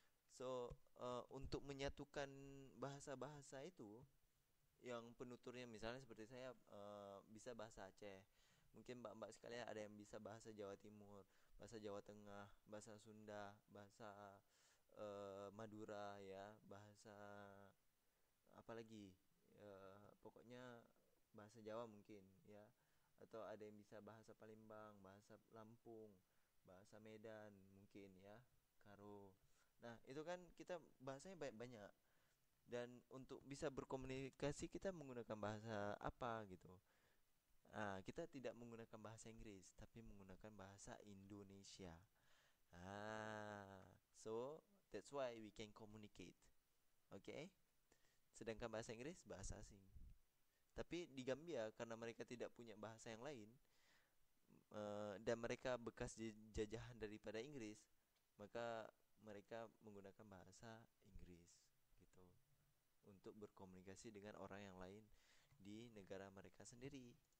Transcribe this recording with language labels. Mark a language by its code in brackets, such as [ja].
[id] So, untuk menyatukan bahasa-bahasa itu, yang penuturnya misalnya seperti saya bisa bahasa Aceh, mungkin mbak-mbak sekalian ada yang bisa bahasa Jawa Timur, bahasa Jawa Tengah, bahasa Sunda, bahasa Madura, ya, bahasa apalagi pokoknya bahasa Jawa mungkin ya atau ada yang bisa bahasa Palembang, bahasa Lampung, bahasa Medan mungkin ya, Karo. Nah, itu kan kita bahasanya banyak-banyak. Dan untuk bisa berkomunikasi kita menggunakan bahasa apa gitu. Nah, kita tidak menggunakan bahasa Inggris tapi menggunakan bahasa Indonesia. [en] Ah, so that's why we can communicate. Okay? [id] Sedangkan bahasa Inggris bahasa asing. Tapi di Gambia karena mereka tidak punya bahasa yang lain dan mereka bekas jajahan daripada Inggris, maka mereka menggunakan bahasa Inggris gitu untuk berkomunikasi dengan orang yang lain di negara mereka sendiri.